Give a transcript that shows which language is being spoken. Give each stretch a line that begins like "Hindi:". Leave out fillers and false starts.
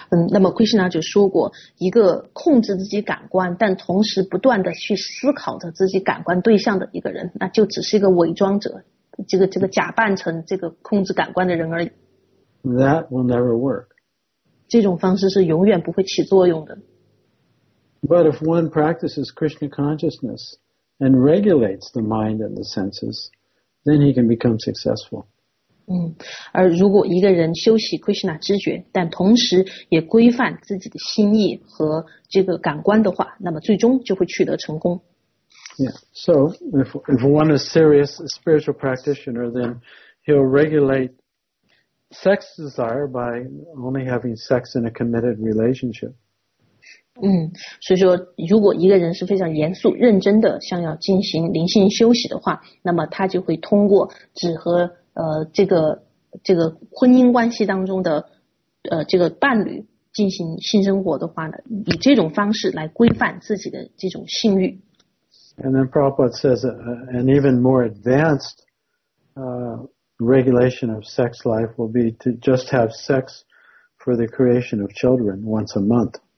Chinese: 那么 Krishna 就说过，一个控制自己感官，但同时不断的去思考着自己感官对象的一个人，那就只是一个伪装者，这个假扮成这个控制感官的人而已。
English: That will never work.
Chinese: 这种方式是永远不会起作用的。
English: But if one practices Krishna consciousness and regulates the mind and the senses, then he can become successful.
Chinese: 而如果一个人修习 Krishna 知觉，但同时也规范自己的心意和这个感官的话，那么最终就会取得成功。
English: Yeah, so if one is serious spiritual practitioner, then he'll regulate sex desire by only having sex in a committed relationship.
Chinese: 所以说如果一个人是非常严肃认真的想要进行灵性修习的话，那么他就会通过只和这个婚姻关系当中的这个伴侣进行性生活的话呢，以这种方式来规范自己的这种性欲。
English: And then Prabhupada says an even more advanced regulation of sex life will be to just have sex for the creation of children once a month.